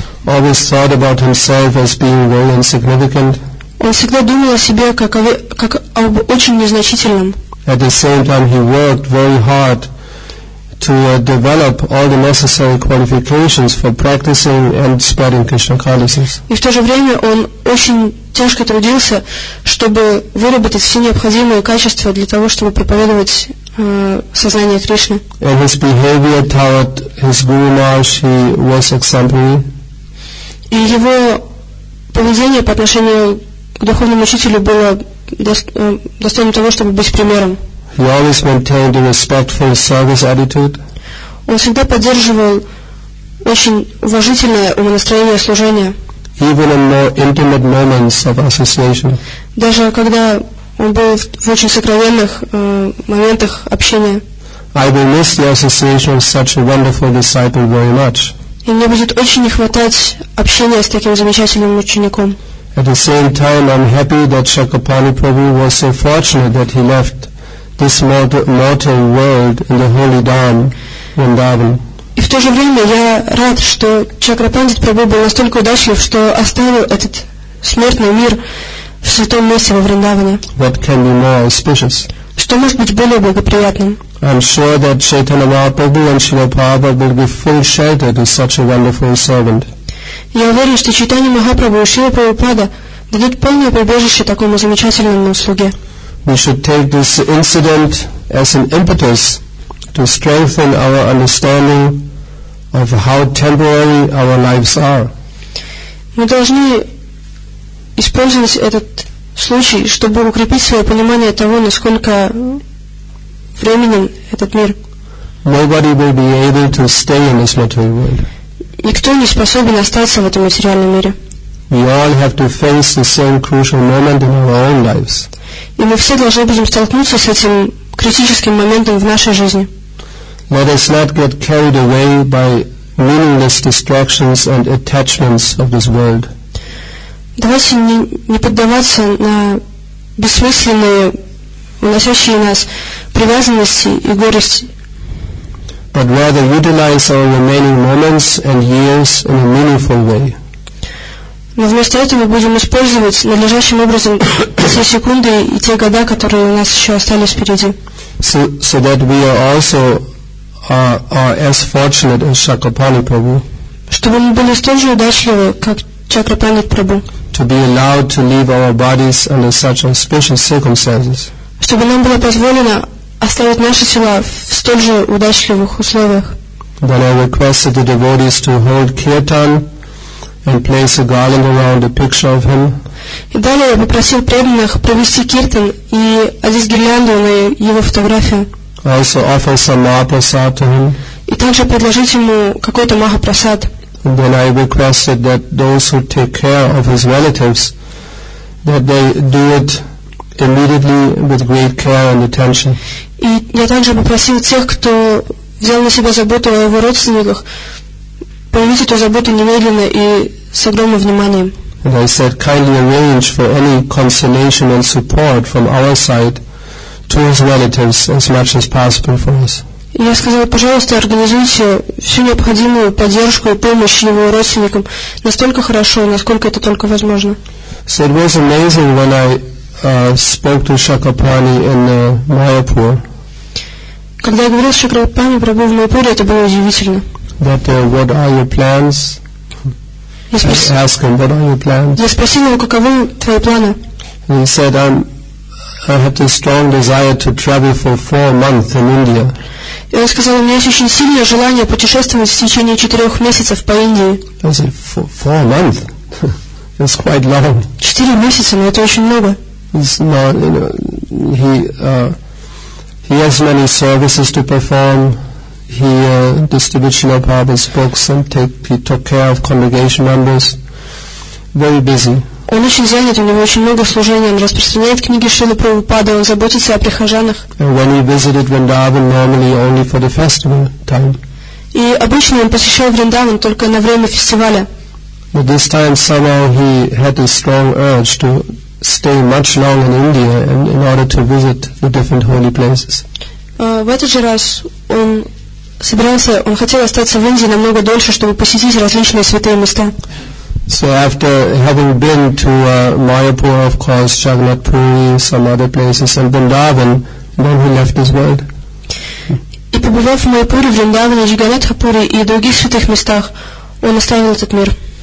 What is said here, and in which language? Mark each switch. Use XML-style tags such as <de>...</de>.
<en>Always thought about himself as being very insignificant.</en> <ru>Он всегда думал о себе как об очень незначительном.</ru> <en>At the same time, he worked very hard to develop all the necessary qualifications for practicing and spreading Krishna consciousness.</en> <ru>И в то же время он очень тяжко трудился, чтобы выработать все необходимые качества для того, чтобы проповедовать сознание Кришны.</ru> <en>And his behavior toward his Guru Maharaj, he was exemplary.</en> <ru>И его поведение по отношению к духовному учителю было достойным того, чтобы быть примером.</ru> <en>He always maintained a respectful service attitude.</en> <ru>Он всегда поддерживал очень уважительное умонастроение служения.</ru> <en>Even in more intimate moments of association.</en> <ru>Даже когда он был в очень сокровенных моментах общения.</ru> <en>I will miss the association of such a wonderful disciple very much.</en> <ru>И мне будет очень не хватать общения с таким замечательным учеником.</ru> <en>At the same time, I'm happy that Chakrapani Prabhu was so fortunate that he left this mortal world in the holy dham, Vrindavan.</en> <ru>И в то же время я рад, что Чакрапандит Прабху был настолько удачлив, что оставил этот смертный мир в святом месте во Вриндаване.</ru> <en>What can be more auspicious?</en> <ru>Что может быть более благоприятным?</ru> <en>I'm sure that Chaitanya Mahaprabhu and Srila Prabhupada will give full shelter to such a wonderful servant.</en> <ru>Я уверен, что Чайтанья Махапрабху и Шрила Прабхупада дадут полное прибежище такому замечательному слуге.</ru> <en>we should take this incident as an impetus to strengthen our understanding of how temporary our lives are.</en> <ru>Мы должны использовать этот случай, чтобы укрепить свое понимание того, насколько временен этот мир.</ru> <en>Nobody will be able to stay in this material world.</en> <ru>Никто не способен остаться в этом материальном мире.</ru> <en>We all have to face the same crucial moment in our own lives.</en> <ru>И мы все должны будем столкнуться с этим критическим моментом в нашей жизни.</ru> <en>Let us not get carried away by meaningless distractions and attachments of this world.</en> <ru>Давайте не поддаваться на бессмысленные, уносящие нас привязанности и горести.</ru> <en>But rather utilize our remaining moments and years in a meaningful way.</en> <ru>Но вместо этого будем использовать надлежащим образом все секунды и те года, которые у нас еще остались впереди.</ru> <en>So that we are also are as fortunate as Chakrapani Prabhu.</en> <ru>Чтобы мы были столь же удачливы, как Чакрапани Прабху.</ru> <en>To be allowed to leave our bodies under such auspicious circumstances.</en> <ru>Чтобы нам было позволено оставить наши тела в столь же удачливых условиях.</ru> <en>Then I requested the devotees to hold kirtan and place a garland around a picture of him.</en> <ru>И далее я попросил преданных провести киртан и одеть гирлянду на его фотографию.</ru> <en>Also offer some mahaprasad to him.</en> <ru>И также предложить ему какой-то махапрасад.</ru> <en>Then I requested that those who take care of his relatives, that they do it immediately with great care and attention.</en> <ru>И я также попросил тех, кто взял на себя заботу о его родственниках, проявить эту заботу немедленно и с огромным вниманием.</ru> <en>And I said, kindly arrange for any consolation and support from our side to his relatives as much as possible for us.</en> <ru>И я сказала, пожалуйста, организуйте всю необходимую поддержку и помощь его родственникам настолько хорошо, насколько это только возможно.</ru> <en>So it was amazing when I spoke to Chakrapani in Mayapur.</en> <ru>Когда я говорил с Чакрапани Прабху в Майапуре, это было удивительно.</ru> <en>That what are your plans? Asked him, what are your plans?</en> <ru>Я спросил его, каковы твои планы?</ru> <en>And he said, I have this strong desire to travel for 4 months in India.</en> <ru>И он сказал, у меня есть очень сильное желание путешествовать в течение 4 месяцев по Индии.</ru> <en>I said, four months? That's quite long.</en> <ru>4 месяца, но это очень много.</ru> <en>He's not, you know, he has many services to perform. He distributes Srila Prabhupada's books and took care of congregation members. Very busy.</en> <ru>Он очень занят, у него очень много служений. Он распространяет книги Шрилы Прабхупады, он заботится о прихожанах.</ru> <en>And when he visited Vrindavan, normally only for the festival time.</en> <ru>И обычно он посещал Вриндаван только на время фестиваля.</ru> <en>But this time somehow he had a strong urge to stay much longer in India and in order to visit the different holy places.</en> <ru>В этот же раз он собирался, он хотел остаться в Индии намного дольше, чтобы посетить различные святые места.</ru> <en>So after having been to Mayapur, of course, Jagannath Puri, some other places, and Vrindavan, then he left this world.</en> <ru>И побывав в Майапуре, Вриндаване, Джаганнатхапуре и других святых местах, он оставил этот мир.</ru>